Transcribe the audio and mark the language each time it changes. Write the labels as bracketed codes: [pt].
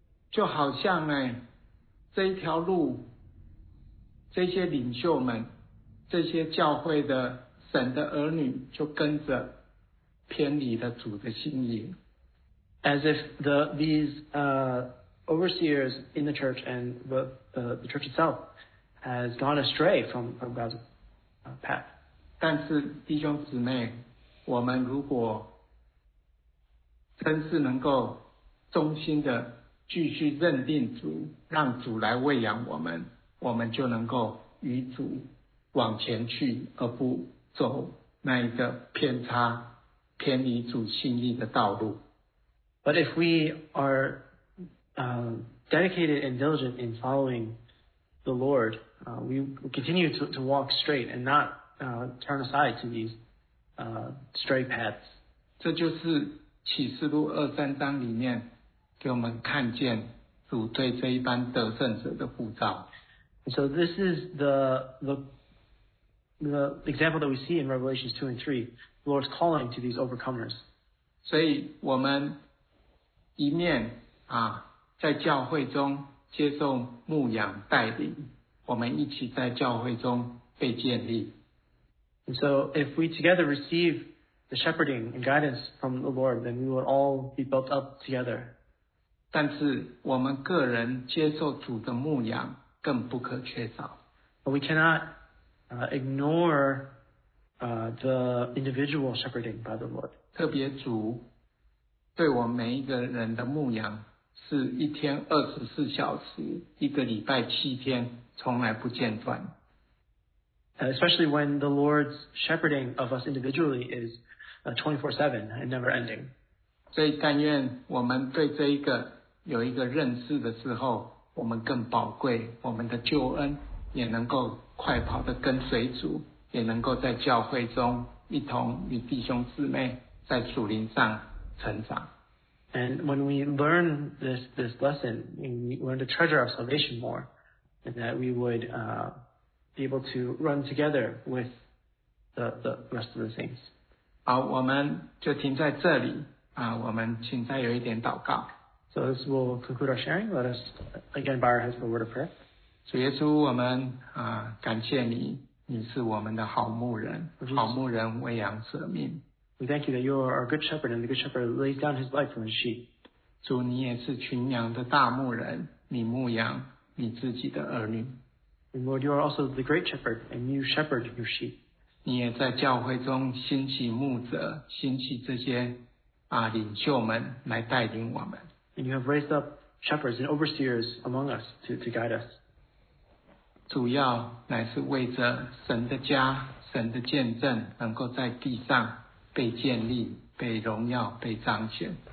[zh] 就好像呢，这一条路，这些领袖们，这些教会的神的儿女，就跟着偏离了主的心意。 [en] As if these overseers in the church and the church itself has gone astray from God's path. [zh] 但是弟兄姊妹，我们如果真是能够忠心的继续认定主，让主来喂养我们，我们就能够与主往前去，而不走那一个偏差、偏离主心意的道路。 [en] But if we are dedicated and diligent in following the Lord, we continue to walk straight and not turn aside to these stray paths. [zh] 这就是启示录二三章里面给我们看见主对这一班得胜者的呼召。 [en] So this is the example that we see in Revelations 2 and 3, the Lord's calling to these overcomers. [zh] 所以我们一面在教会中接受牧养带领，我们一起在教会中被建立。 [en] And so if we together receive the shepherding and guidance from the Lord, then we would all be built up together. [zh] 但是我们个人接受主的牧养更不可缺少。 [en] But we cannot ignore the individual shepherding by the Lord. [zh] 特别主对我每一个人的牧养是一天二十四小时，一个礼拜七天，从来不间断。 [en] Especially when the Lord's shepherding of us individually is 24/7 and never ending. [zh] 所以但愿我们对这一个有一个认识的时候，我们更宝贵我们的救恩，也能够快跑的跟随主，也能够在教会中一同与弟兄姊妹在属灵上。 [en] And when we learn this lesson, we learn the treasure of salvation more, and that we would be able to run together with the rest of the saints. [zh] 好，我们就停在这里啊，我们请再有一点祷告。 [en] So this will conclude our sharing. Let us again bow our heads for a word of prayer. [zh] 主耶稣，我们感谢你，你是我们的好牧人，好牧人喂养舍命。 [en] We thank you that you are our good shepherd and the good shepherd lays down his life for his sheep. [zh] 主你也是群羊的大牧人，你牧养你自己的儿女。 [en] And Lord, you are also the great shepherd and you shepherd your sheep. [zh] 你也在教会中兴起牧者，兴起这些领袖们来带领我们。 [en] And you have raised up shepherds and overseers among us to guide us. [zh] 主要乃是为着神的家，神的见证能够在地上被建立，被荣耀，被彰显。